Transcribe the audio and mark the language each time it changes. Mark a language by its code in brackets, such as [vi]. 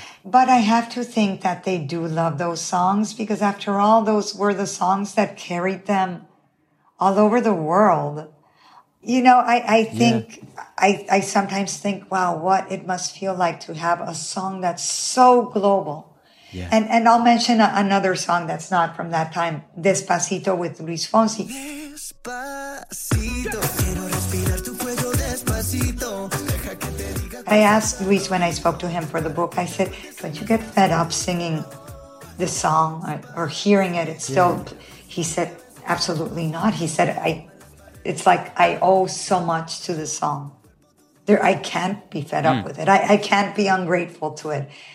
[en] But I have to think that they do love those songs because, after all, those were the songs that carried them all over the world. You know, I sometimes think, wow, what it must feel like to have a song that's so global. Yeah. And I'll mention another song that's not from that time, Despacito with Luis Fonsi. [es] Despacito, quiero respirar tu cuello despacito. [en] I asked Luis when I spoke to him for the book, I said, don't you get fed up singing this song or hearing it? It's still, he said, absolutely not. He said, it's like I owe so much to the song. There, I can't be fed up with it. I can't be ungrateful to it.